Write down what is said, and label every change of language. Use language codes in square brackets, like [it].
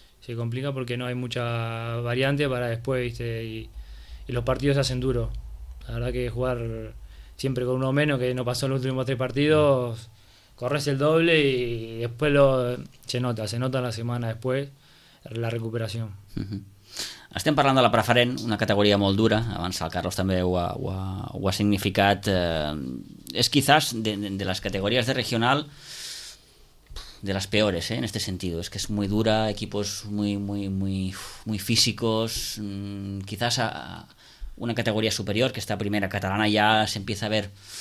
[es] Se complica porque no hay mucha variante para después, ¿viste? Y los partidos se hacen duros. La verdad que jugar siempre con uno menos, que no pasó en los últimos tres partidos, corres el doble y después se nota la semana después la recuperación. [ca] Uh-huh. Estem parlant de la preferent, una categoria molt dura. Abans el Carlos també ho ha significat... [es] Es quizás de las categorías de regional de las peores, ¿eh? En este sentido. Es que es muy dura, equipos muy, muy, muy, muy físicos. Quizás a una categoría superior, que esta primera catalana, ya se empieza a ver